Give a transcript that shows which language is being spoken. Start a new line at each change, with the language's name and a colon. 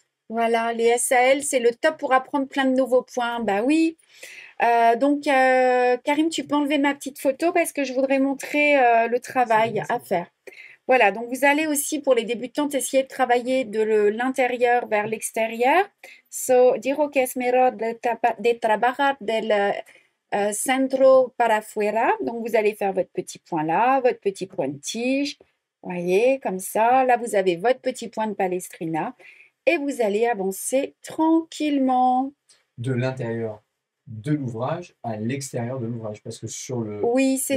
French: Voilà, les SAL, c'est le top pour apprendre plein de nouveaux points. Bah oui. Donc, Karim, tu peux enlever ma petite photo parce que je voudrais montrer le travail à faire. Voilà, donc vous allez aussi, pour les débutantes, essayer de travailler de l'intérieur vers l'extérieur.
Spanish: So, dijo que es mejor de trabajar del centro para afuera.
French: Donc, vous allez faire votre petit point là, votre petit point de tige. Voyez, comme ça. Là, vous avez votre petit point de palestrina. Et vous allez avancer tranquillement. De l'intérieur de l'ouvrage à l'extérieur de l'ouvrage, parce que sur Oui, c'est